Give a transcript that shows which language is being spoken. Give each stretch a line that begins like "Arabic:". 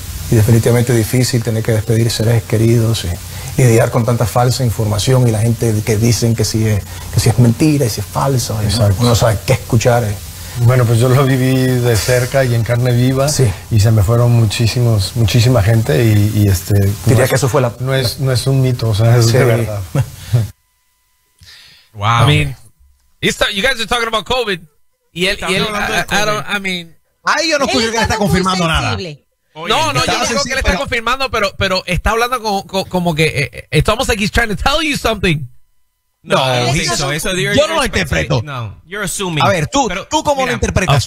Spanish: Y definitivamente difícil tener que despedir seres queridos y lidiar con tanta falsa información y la gente que dicen que si es mentira y si es falso. Exacto. Uno sabe qué escuchar. Bueno, pues yo lo viví de cerca y en carne viva. Sí. Y se me fueron muchísima gente y este... Diría no que es, eso fue la... No es un mito, o sea, es de verdad.
English: Wow. I mean, you guys are talking about COVID.
Spanish: Y él, Ay, yo no escucho que está confirmando nada. Oye, no, no, yo creo que le está confirmando, pero está hablando como que
English: it's almost like he's trying to tell you something.
Spanish: No, yo no lo interpreto.
English: No, you're assuming.
Spanish: A ver, tú cómo lo interpretas.